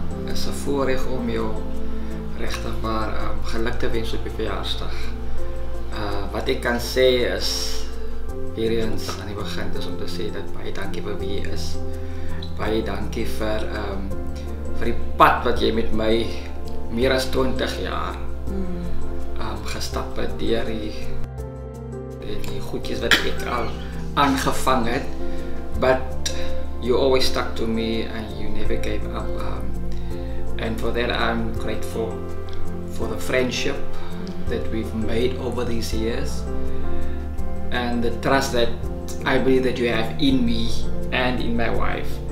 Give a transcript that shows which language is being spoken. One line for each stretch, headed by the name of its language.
English: It's a
Afrikaans: voorreg om jou regtig waar geluk te wens op jou verjaarsdag. Wat ek kan sê is, hier eens aan die begin is om te sê dat baie dankie vir wie jy is. Baie dankie vir die pad wat jy met my meer as 20 jaar gestap het deur die goedjies wat ek al aangevang het.
English: But you always stuck to me and you never gave up. And for that I'm grateful for the friendship that we've made over these years and the trust that I believe that you have in me and in my wife.